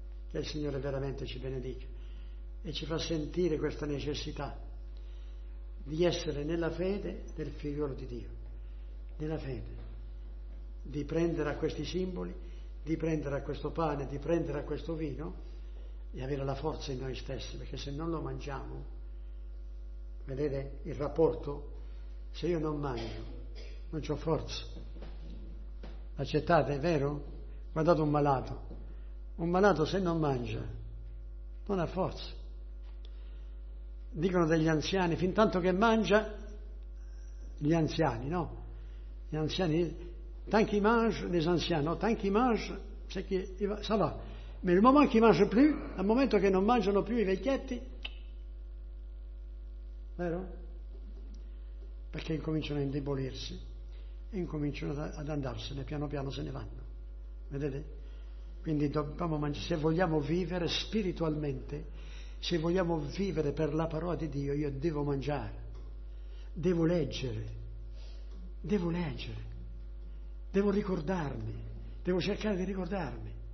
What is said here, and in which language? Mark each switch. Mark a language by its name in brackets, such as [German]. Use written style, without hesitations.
[Italian] Che il Signore veramente ci benedica e ci fa sentire questa necessità di essere nella fede del figliolo di Dio, nella fede, di prendere a questi simboli, di prendere a questo pane, di prendere a questo vino e avere la forza in noi stessi, perché se non lo mangiamo, vedete il rapporto, se io non mangio non c'ho forza. Accettate, è vero? Guardate un malato se non mangia non ha forza. dicono degli anziani, fin tanto che mangia, gli anziani, no? Gli anziani, [French] tant qu'il mange, les anciens, no? Tant qu'il mange, c'est qui, ça va. Mais le moment qu'il mange plus, [Italian] al momento che non mangiano più i vecchietti, vero? Perché incominciano a indebolirsi e incominciano ad andarsene, piano piano se ne vanno. Vedete? Quindi dobbiamo mangiare, se vogliamo vivere spiritualmente, se vogliamo vivere per la parola di Dio, io devo mangiare, devo leggere, devo leggere, devo ricordarmi, devo cercare di ricordarmi.